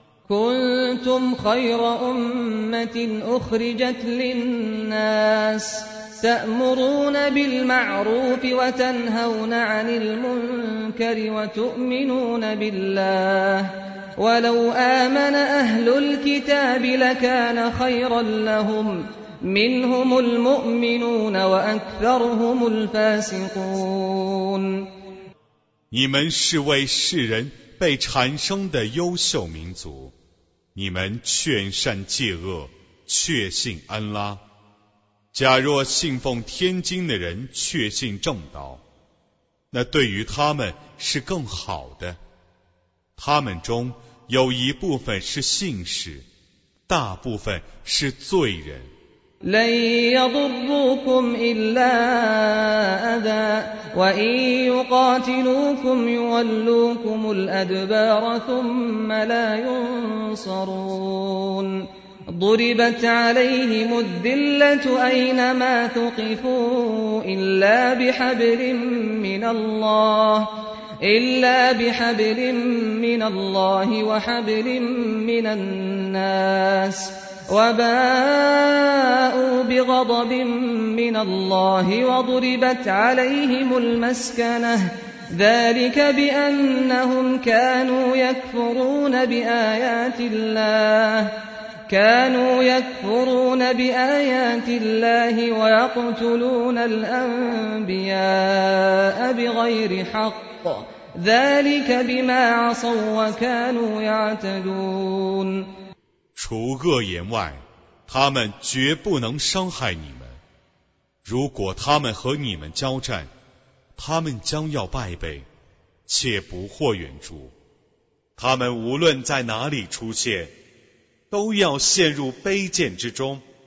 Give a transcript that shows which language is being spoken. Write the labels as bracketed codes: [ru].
[ar] كنتم خير أمة أخرجت للناس تأمرون بالمعروف وتنهون عن المنكر وتؤمنون بالله ولو آمن أهل الكتاب لكان خيرا لهم منهم المؤمنون وأكثرهم الفاسقون [zh] 你们是为世人被产生的优秀民族，你们劝善戒恶，确信安拉。假若信奉天经的人确信正道，那对于他们是更好的。他们中有一部分是信士，大部分是罪人。 [ar] لن يضروكم إلا أذى وإن يقاتلوكم يولوكم الأدبار ثم لا ينصرون ضربت عليهم الذلة أينما ثقفوا إلا بحبل من الله وحبل من الناسوباءوا بغضب من الله وضربت عليهم المسكنة ذلك بأنهم كانوا يكفرون بآيات الله كانوا يكفرون بآيات الله ويقتلون الأنبياء بغير حق ذلك بما عصوا وكانوا يعتدون [zh] 除恶言外，他们绝不能伤害你们。如果他们和你们交战，他们将要败北，且不获援助。他们无论在哪里出现，都要陷入卑贱之中。